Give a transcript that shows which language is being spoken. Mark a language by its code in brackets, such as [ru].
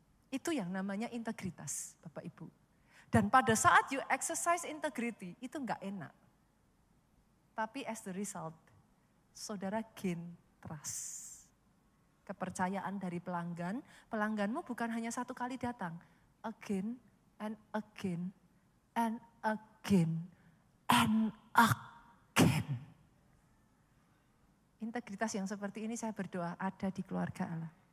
[id] Itu yang namanya integritas, Bapak Ibu. Dan pada saat [en] you exercise integrity, [id] itu enggak enak. [en] Tapi as the result, saudara gain trust. [id] Kepercayaan dari pelanggan, pelangganmu bukan hanya satu kali datang. [en] Again and again and again and again. [id] Integritas yang seperti ini saya berdoa ada di keluarga Allah.